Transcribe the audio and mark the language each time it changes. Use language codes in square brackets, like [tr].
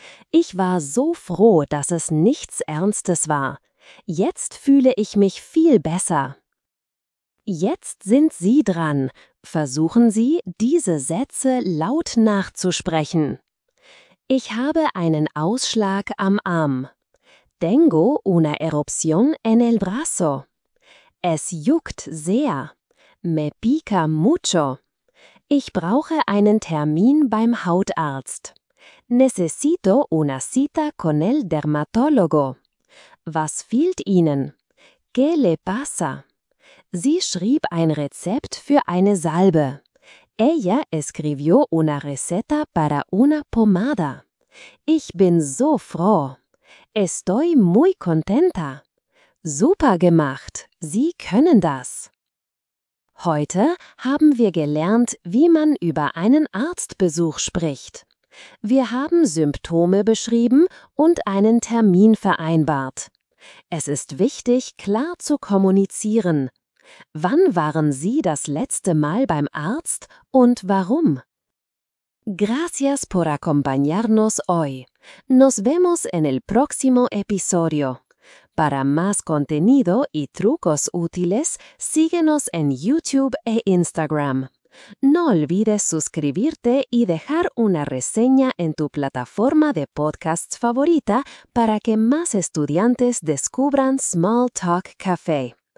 [de] Ich war so froh, dass es nichts Ernstes war. Jetzt fühle ich mich viel besser. Jetzt sind Sie dran. Versuchen Sie, diese Sätze laut nachzusprechen. Ich habe einen Ausschlag am Arm. [es] Tengo una erupción en el brazo. [de] Es juckt sehr. [es] Me pica mucho. [de] Ich brauche einen Termin beim Hautarzt. [es] Necesito una cita con el dermatólogo. [de] Was fehlt Ihnen? [es] ¿Qué le pasa? [de] Sie schrieb ein Rezept für eine Salbe. [es] Ella escribió una receta para una pomada. [de] Ich bin so froh. [es] Estoy muy contenta. [de] Super gemacht. Sie können das. Heute haben wir gelernt, wie man über einen Arztbesuch spricht. Wir haben Symptome beschrieben und einen Termin vereinbart. Es ist wichtig, klar zu kommunizieren. Wann waren Sie das letzte Mal beim Arzt und warum? [es] Gracias por acompañarnos hoy. Nos vemos en el próximo episodio. Para más contenido y trucos útiles, síguenos en YouTube e Instagram. No olvides suscribirte y dejar una reseña en tu plataforma de podcasts favorita para que más estudiantes descubran Small Talk Café.